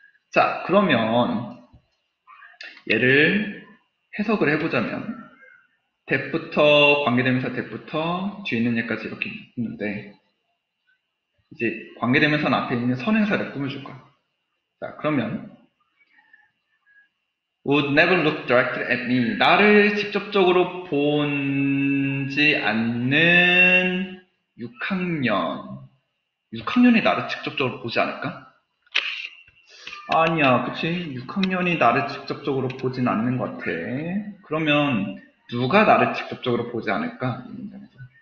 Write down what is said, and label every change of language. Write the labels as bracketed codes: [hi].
[ko] 자, 그러면 얘를 해석을 해보자면 that부터 관계 대명사 that부터 뒤에 있는 얘까지 이렇게 있는데 이제 관계 대명사 앞에 있는 선행사를 꾸며줄 거야. 자, 그러면 [en] would never look directly at me. [ko] 나를 직접적으로 보지 않는 6학년. 6학년이 나를 직접적으로 보지 않을까? 아니야, 그치? 6학년이 나를 직접적으로 보진 않는 것 같아. 그러면 누가 나를 직접적으로 보지 않을까? 이 문장에서.